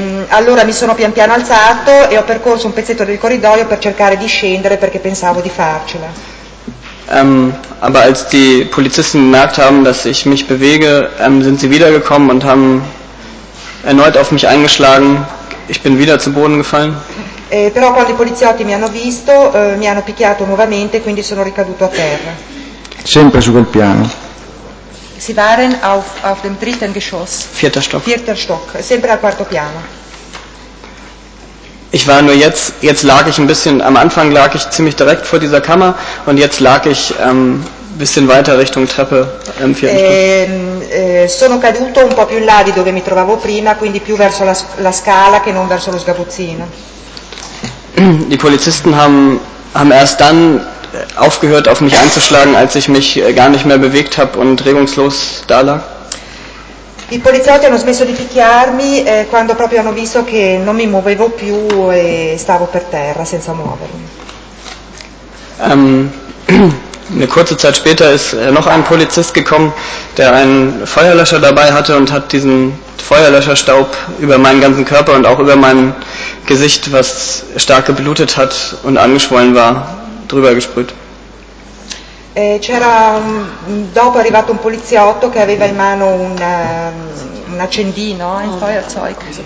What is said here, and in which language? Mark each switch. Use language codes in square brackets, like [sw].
[it] Allora mi sono pian piano alzato e ho percorso un pezzetto del corridoio per cercare di scendere perché pensavo di farcela. [de] Aber als die Polizisten gemerkt haben, dass ich mich bewege, sind sie wiedergekommen und haben erneut auf mich eingeschlagen. Ich bin wieder zu Boden gefallen. [it] Però quando i poliziotti mi hanno visto, mi hanno picchiato nuovamente, quindi sono ricaduto a terra. Sempre su quel piano. [de] Sie waren auf dem dritten Geschoss. Vierter Stock, [it] sempre al quarto piano. [de] Ich war nur jetzt lag ich ein bisschen, am Anfang lag ich ziemlich direkt vor dieser Kammer und jetzt lag ich bisschen weiter Richtung Treppe im vierten Stock. [it] Sono caduto un po' più in là di dove mi trovavo prima, quindi più verso la scala che non verso lo sgabuzzino. [de] Die Polizisten haben erst dann aufgehört auf mich einzuschlagen, als ich mich gar nicht mehr bewegt habe und regungslos da lag. [it] I poliziotti hanno smesso di picchiarmi quando proprio hanno visto che non mi muovevo più e stavo per terra senza muovermi. [de] Eine kurze Zeit später ist noch ein Polizist gekommen, der einen Feuerlöscher dabei hatte und hat diesen Feuerlöscherstaub über meinen ganzen Körper und auch über meinen Gesicht, was stark geblutet hat und angeschwollen war, drüber gesprüht. [it] C'era dopo è arrivato un poliziotto che aveva in mano un accendino, [de] ein Feuerzeug.